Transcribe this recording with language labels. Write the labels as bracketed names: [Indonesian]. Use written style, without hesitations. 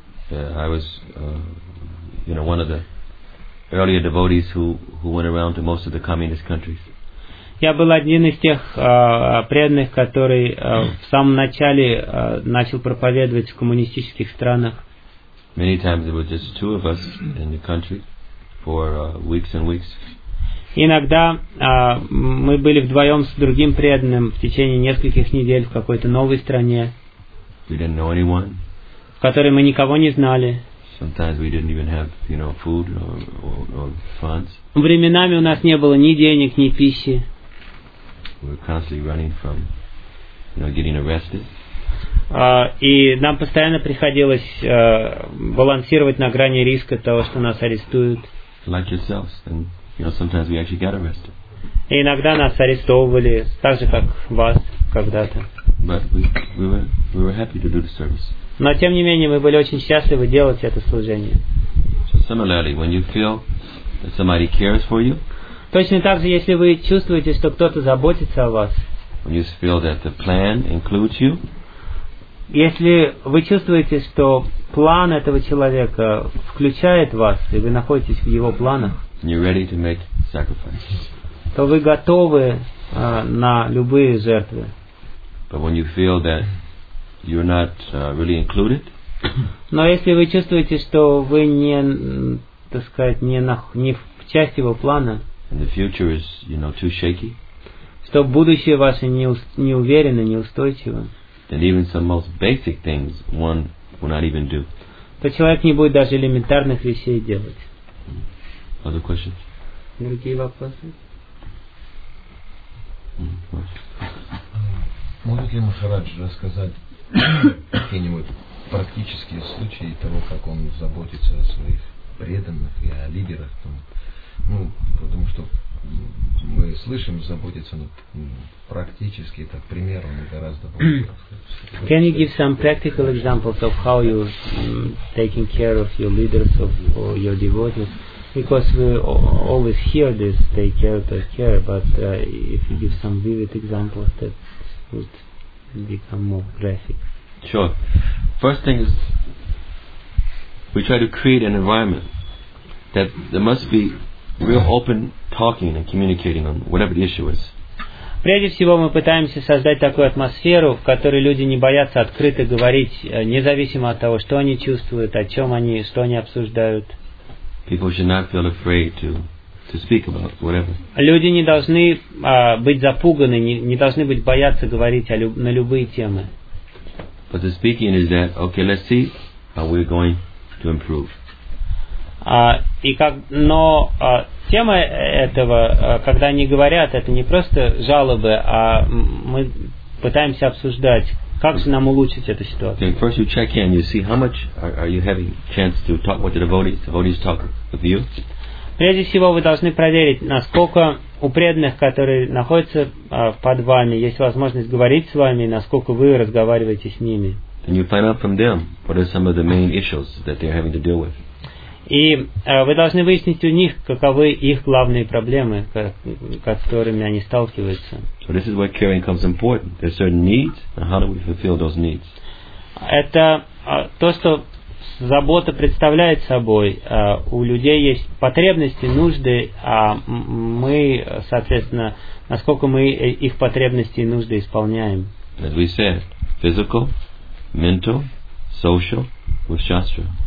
[English] I was one of the earlier devotees who went around to most of the communist countries. [Russian] Я был один из тех преданных, который в самом начале начал проповедовать в коммунистических странах. [English] Many times there were just two of us in the country for weeks and weeks. [Russian] Иногда мы были вдвоем с другим преданным в течение нескольких недель в какой-то новой стране, [English] we didn't know anyone. [Russian] В которой мы никого не знали. [English] Sometimes we didn't even have, you know, food or funds. [Russian] Временами у нас не было ни денег, ни пищи. [English] We were constantly running from, you know, getting arrested. [Russian] И нам постоянно приходилось балансировать на грани риска того, что нас арестуют. [English] Like yourselves, and you know, sometimes we actually got arrested. [Russian] И иногда нас арестовывали, так же как вас когда-то. [English] But we were happy to do the service. [Russian] Но тем не менее мы были очень счастливы делать это служение. [English] So similarly, when you feel that somebody cares for you. [Russian] Точно так же, если вы чувствуете, что кто-то заботится о вас. [English] When you feel that the plan includes you. [Russian] Если вы чувствуете, что план этого человека включает вас, и вы находитесь в его планах. [English] You're ready to make sacrifices. [Russian] То вы готовы на любые жертвы. [English] But when you feel that you're not really included. [Russian] Но если вы чувствуете, что вы не, так сказать, не в часть его плана. [English] And the future is, you know, too shaky. [Russian] Что будущее ваше неуверенно, неустойчиво. [English] Then even some most basic things one will not even do. [Russian] То человек не будет даже элементарных вещей делать. [English] Other questions? [Russian] Другие вопросы? Может ли Махараджа рассказать какие-нибудь практические случаи того, как он заботится о своих преданных и о лидерах? Ну, потому что мы слышим, заботиться, но практически так пример он гораздо больше. [English] Can you give some practical examples of how you taking care of your leaders of or your devotees? Because we always hear this take care, but if you give some vivid examples, that would become more graphic. Sure. First thing is, we try to create an environment that there must be real open talking and communicating on whatever the issue is. [Russian] Прежде всего мы пытаемся создать такую атмосферу, в которой люди не боятся открыто говорить, независимо от того, что они чувствуют, о чем они, что они обсуждают. [English] People should not feel afraid to speak about whatever. [Russian] Люди не должны быть запуганы, не должны быть бояться говорить на любые темы. [English] But the speaking is that, okay, let's see how we're going to improve. [Russian] И как, но тема этого, когда они говорят, это не просто жалобы, а мы пытаемся обсуждать, как же нам улучшить эту ситуацию. [English] Okay, first you check in, you see how much are you having chance to talk with the devotees talk with you. [Russian] Прежде всего, вы должны проверить, насколько у преданных, которые находятся под вами, есть возможность говорить с вами, насколько вы разговариваете с ними. [English] And you find out from them what are some of the main issues that they're having to deal with. [Russian] И вы должны выяснить у них, каковы их главные проблемы, которыми они сталкиваются. [English] So this is where caring comes important. There are certain needs, and how do we fulfill those needs? [Russian] Это то, что забота представляет собой. У людей есть потребности, нужды, а мы, соответственно, насколько мы их потребности и нужды исполняем. [English] As we said, physical, mental, social, with shastra.